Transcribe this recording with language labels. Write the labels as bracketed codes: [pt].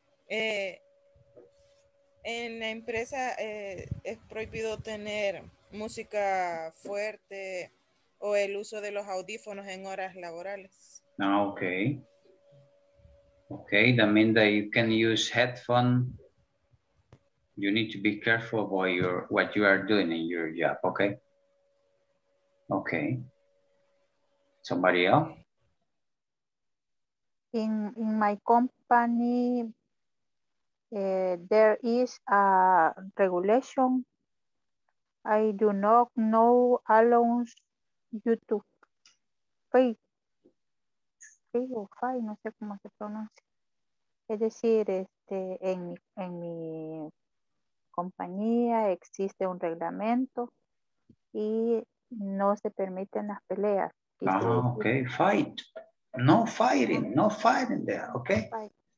[es] En la empresa es prohibido tener música fuerte o el uso de los audífonos en horas laborales. [en] Okay, that means that you can use headphone. You need to be careful about what you are doing in your job, okay? Okay. Somebody else? In my company, there is a regulation. I do not know how long you to pay. Pay or fine, [es] no sé cómo se pronuncia. Es decir, en mi compañía existe un reglamento y no se permiten las peleas. [en] Ah, ok, fight. No fighting, no fighting there, ok. Fight.